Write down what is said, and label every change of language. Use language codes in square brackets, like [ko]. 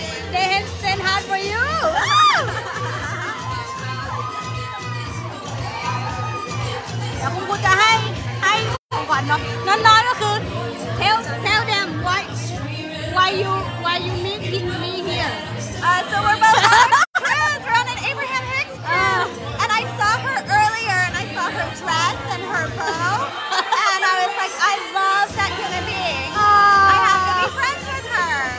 [en] They have sent hard for you. [th] เดี๋ยวคุณจะให้ของขวัญเนาะน้องๆก็คือ [en] tell them why you meeting me here. So we're both friends. We're on an Abraham Hicks crew. And I saw her earlier, and I saw her dress and her bow, and I was like, I love that human being. I have to be friends with her.